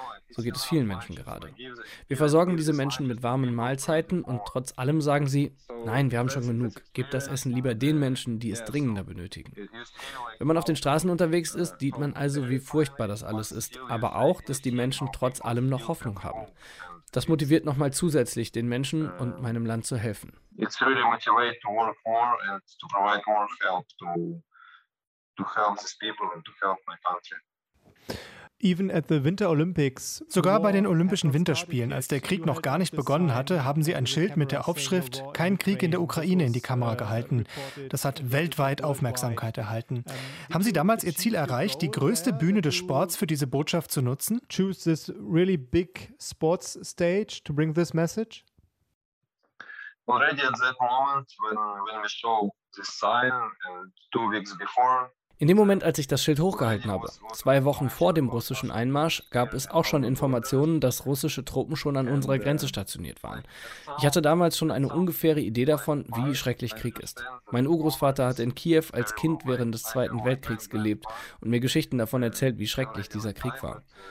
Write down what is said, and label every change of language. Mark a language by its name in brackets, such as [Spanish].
[German] So geht es vielen Menschen gerade. Wir versorgen diese Menschen mit warmen Mahlzeiten und trotz allem sagen sie, nein, wir haben schon genug. Gebt das Essen lieber den Menschen, die es dringender benötigen. Wenn man auf den Straßen unterwegs ist, sieht man also, wie furchtbar das alles ist, aber auch, dass die Menschen trotz allem noch Hoffnung haben. Das motiviert nochmal zusätzlich den Menschen und meinem Land zu helfen. [English] It's really motivated to work more and to provide more help to help these people and to help my country. Even at the Winter Olympics. [German] Sogar bei den Olympischen Winterspielen, als der Krieg noch gar nicht begonnen hatte, haben sie ein Schild mit der Aufschrift "Kein Krieg in der Ukraine" in die Kamera gehalten. Das hat weltweit Aufmerksamkeit erhalten. Haben Sie damals Ihr Ziel erreicht, die größte Bühne des Sports für diese Botschaft zu nutzen? [English] Choose this really big sports stage to bring this message? Already at that moment, when we show this sign, two weeks before. [German] In dem Moment, als ich das Schild hochgehalten habe, 2 Wochen vor dem russischen Einmarsch, gab es auch schon Informationen, dass russische Truppen schon an unserer Grenze stationiert waren. Ich hatte damals schon eine ungefähre Idee davon, wie schrecklich Krieg ist. Mein Urgroßvater hat in Kiew als Kind während des Zweiten Weltkriegs gelebt und mir Geschichten davon erzählt, wie schrecklich dieser Krieg war.